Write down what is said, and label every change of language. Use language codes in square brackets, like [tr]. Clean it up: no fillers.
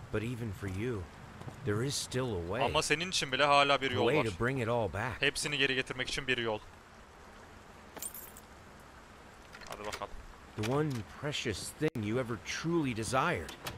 [en] But even for you, there is still a way. [tr] Ama senin için bile hala bir yol var. [en] A way to bring it all back. [tr] Hepsini geri getirmek için bir yol. Hadi bakalım. [en] The one precious thing you ever truly desired.